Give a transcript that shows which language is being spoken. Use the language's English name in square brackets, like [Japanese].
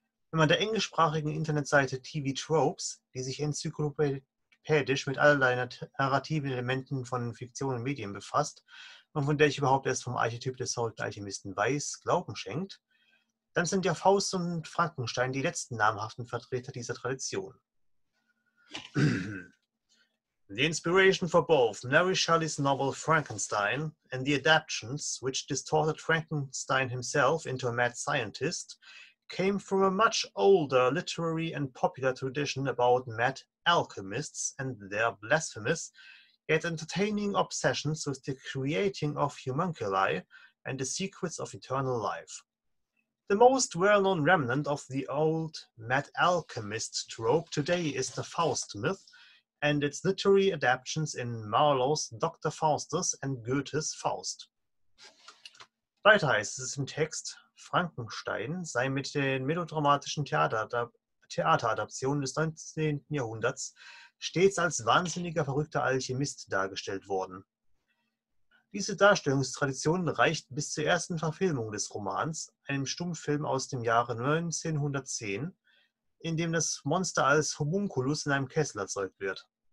[German] Wenn man der englischsprachigen Internetseite TV Tropes, die sich enzyklopädisch mit allerlei narrativen Elementen von Fiktion und Medien befasst und von der ich überhaupt erst vom Archetyp des verrückten Alchemisten weiß, Glauben schenkt, dann sind ja Faust und Frankenstein die letzten namhaften Vertreter dieser Tradition. [English] The inspiration for both Mary Shelley's novel Frankenstein and the adaptions which distorted Frankenstein himself into a mad scientist came from a much older literary and popular tradition about mad alchemists and their blasphemous yet entertaining obsessions with the creating of homunculi and the secrets of eternal life. The most well-known remnant of the old mad alchemist trope today is the Faust myth, and its literary adaptions in Marlowe's Dr. Faustus and Goethe's Faust. [German] Weiter heißt es im Text, Frankenstein sei mit den melodramatischen Theateradaptionen des 19. Jahrhunderts stets als wahnsinniger, verrückter Alchemist dargestellt worden. Diese Darstellungstradition reicht bis zur ersten Verfilmung des Romans, einem Stummfilm aus dem Jahre 1910, in dem das Monster als Homunculus in einem Kessel erzeugt wird.